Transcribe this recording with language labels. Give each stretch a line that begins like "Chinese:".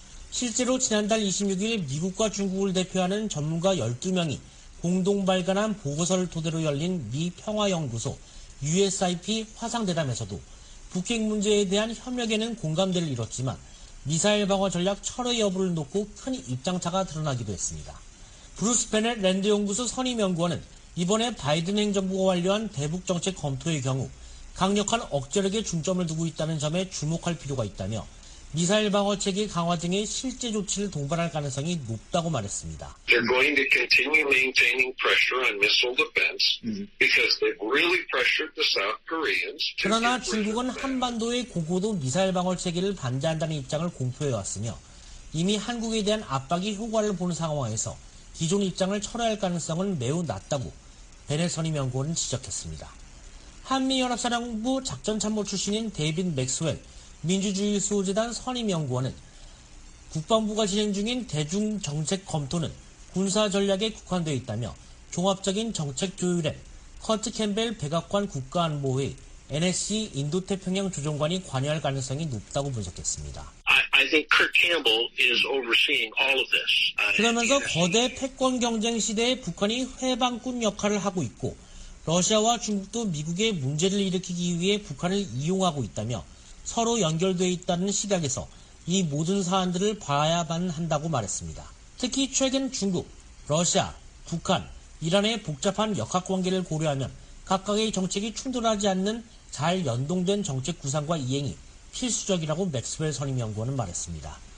Korean: 실제로 지난달 26일 미국과 중국을 대표하는 전문가 12명이 공동 발간한 보고서를 토대로 열린 미 평화연구소 USIP 화상대담에서도 북핵 문제에 대한 협력에는 공감대를 이뤘지만 미사일 방어 전략 철회 여부를 놓고 큰 입장차가 드러나기도 했습니다. 브루스 베넷 랜드연구소 선임연구원은 이번에 바이든 행정부가 완료한 대북정책 검토의 경우 강력한 억제력에 중점을 두고 있다는 점에 주목할 필요가 있다며 미사일 방어 체계 강화 등의 실제 조치를 동반할 가능성이 높다고 말했습니다.
English: They're going to continue maintaining pressure on missile defense because they've really pressured the South Koreans.
Korean: 그러나 중국은 한반도의 고고도 미사일 방어 체계를 반대한다는 입장을 공표해 왔으며 이미 한국에 대한 압박이 효과를 보는 상황에서 기존 입장을 철회할 가능성은 매우 낮다고 베넷 선임연구원은 지적했습니다. 한미연합사령부 작전참모 출신인 데이빗 맥스웰 민주주의 수호재단 선임연구원은 국방부가 진행 중인 대중정책 검토는 군사전략에 국한되어 있다며 종합적인 정책 조율에 커트 캠벨 백악관 국가안보회 NSC 인도태평양 조정관이 관여할 가능성이 높다고 분석했습니다.
English: I think Kirk Campbell is overseeing all of this.
Korean: 그러면서 거대 패권 경쟁 시대에 북한이 회방꾼 역할을 하고 있고 러시아와 중국도 미국의 문제를 일으키기 위해 북한을 이용하고 있다며 서로 연결되어 있다는 시각에서 이 모든 사안들을 봐야만 한다고 말했습니다. 특히 최근 중국, 러시아, 북한, 이란의 복잡한 역학관계를 고려하면 각각의 정책이 충돌하지 않는 잘 연동된 정책 구상과 이행이 필수적이라고 맥스웰 선임연구원은 말했습니다.